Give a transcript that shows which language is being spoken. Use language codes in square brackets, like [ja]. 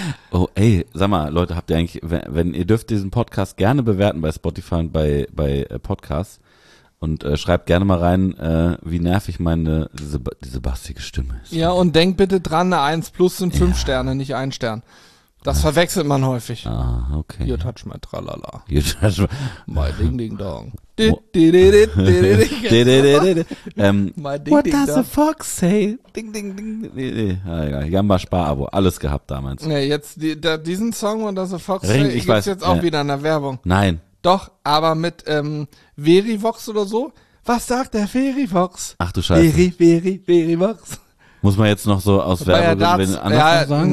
[de] Oh, ey, sag mal, Leute, habt ihr eigentlich, wenn ihr dürft diesen Podcast gerne bewerten bei Spotify und bei Podcasts und schreibt gerne mal rein, wie nervig meine, diese bassige Stimme ist. Ja, und denk bitte dran, eine 1 plus sind 5 ja. Sterne, nicht 1 Stern. Das verwechselt man häufig. Ah, okay. [en] You touch my tralala. You touch my ding ding dong. My ding, what ding, does the fox say? [de] Ding ding ding. Jamba Spar-Abo, alles gehabt damals. Ja, jetzt diesen Song, What does the fox say, gibt's jetzt auch wieder in der Werbung. Nein. Doch, aber mit Verivox oder so. Was sagt der Verivox? Ach du Scheiße. Verivox. Muss man jetzt noch so aus Werbung anders sagen?